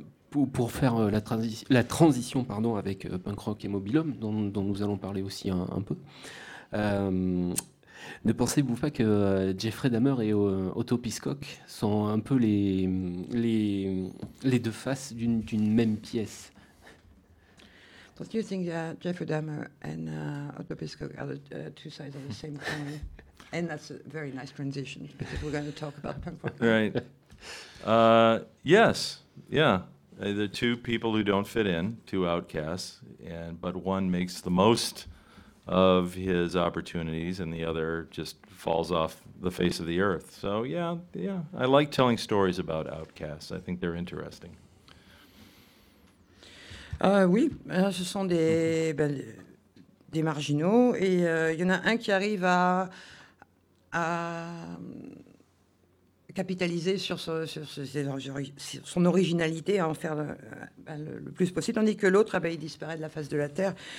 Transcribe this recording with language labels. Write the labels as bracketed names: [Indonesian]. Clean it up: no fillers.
[French] Pour faire la transition pardon, avec Punk Rock et Mobilhome, dont nous allons parler aussi un peu, ne pensez-vous pas que Jeffrey Dahmer et Otto Pisscock sont un peu les deux faces d'une même pièce? [English] Don't you think that Jeffrey Dahmer and Otto Pisscock are the two sides of the same coin? And that's a very nice transition, because we're going to talk about Punk Rock. Right. Yes. Yeah. The two people who don't fit in, two outcasts, but one makes the most of his opportunities and the other just falls off the face of the earth. So yeah, I like telling stories about outcasts. I think they're interesting. [French] Oui, ce sont des marginaux et il y en a un qui arrive à capitaliser sur son originalité, à en faire le plus possible, tandis que l'autre, il disparaît de la face de la Terre.